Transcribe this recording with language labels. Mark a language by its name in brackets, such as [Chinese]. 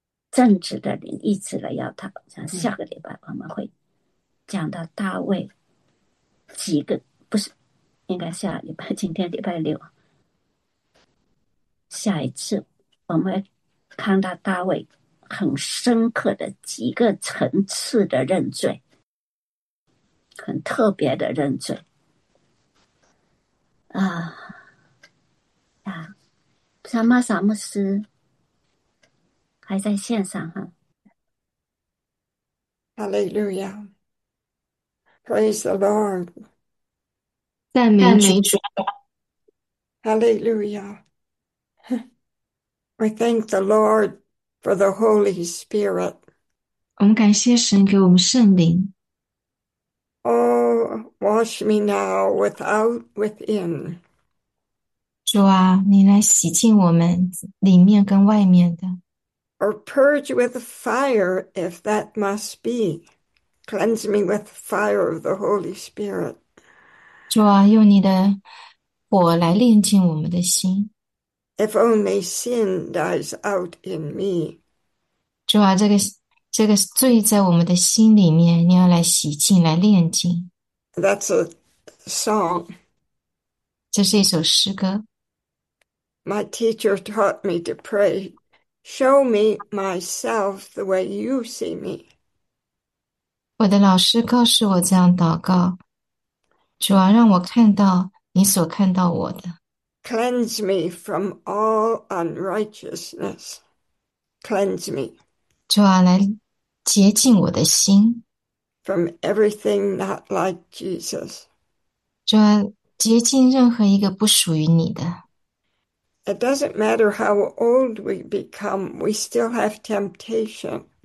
[Chinese] 正直的灵一直来要他，像下个礼拜我们会讲到大卫几个，不是，应该下礼拜，今天礼拜六，下一次我们看到大卫很深刻的几个层次的认罪，很特别的认罪萨玛萨牧师。还在线上哈、 [English] 哈利路亚，Praise the Lord， [Chinese] 啊，赞赞美主，美主。 [English] 哈利路亚，We thank the Lord for the Holy Spirit。 [Chinese] 我们感谢神给我们圣灵。 [English] Oh, wash me now without within。 [Chinese] 主啊，你来洗净我们里面跟外面的。 [English] Or purge with fire if that must be. Cleanse me with fire of the Holy Spirit. [Chinese] 主啊，用你的火来炼净我们的心。 [English] If only sin dies out in me. [Chinese] 主啊，这个罪在我们的心里面，你要来洗净，来炼净。 [English] That's a song. [Chinese] 这是一首诗歌。 [English] My teacher taught me to pray. Show me myself the way you see me. [Chinese] 我的老师告诉我这样祷告。主啊，让我看到你所看到我的。 [English] Cleanse me from all unrighteousness. Cleanse me. [Chinese] 主啊，来洁净我的心。 [English] from everything not like Jesus. [Chinese] 说接近任何一个不属于你的。 [English] It doesn't matter how old we become, we still have temptation.